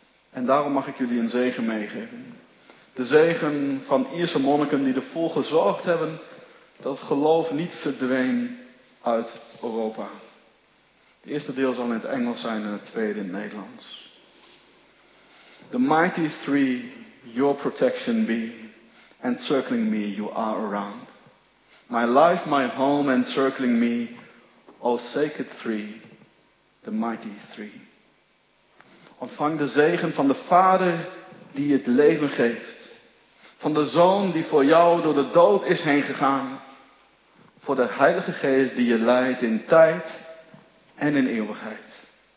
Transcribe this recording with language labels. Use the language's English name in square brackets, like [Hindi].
[Dutch] En daarom mag ik jullie een zegen meegeven. De zegen van Ierse monniken die ervoor gezorgd hebben dat geloof niet verdween uit Europa. Het eerste deel zal in het Engels zijn en het tweede in het Nederlands. [English] The mighty three, your protection be, encircling me, you are around. My life, my home, encircling me, all sacred three, the mighty three. [Dutch] Ontvang de zegen van de Vader die het leven geeft. Van de Zoon die voor jou door de dood is heen gegaan. Voor de Heilige Geest die je leidt in tijd en in eeuwigheid.